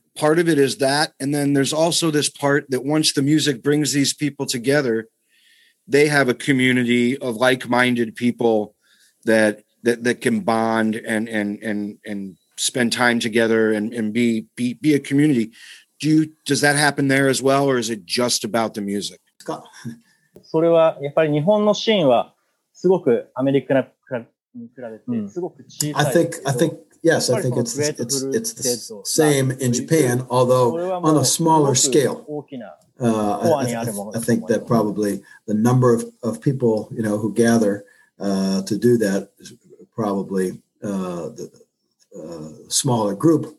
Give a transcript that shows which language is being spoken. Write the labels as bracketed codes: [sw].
[en] Part of it is that, and then there's also this part that once the music brings these people together, they have a community of like-minded people that can bond and spend time together and be a community. Does that happen there as well, or is it just about the music? [ja] それはやっぱり日本のシーンはすごくアメリカに比べてすごく小さい。 [en] I think yes, I think it's the same in Japan, although on a smaller scale. I think that probably the number of people, you know, who gather to do that is probably the smaller group.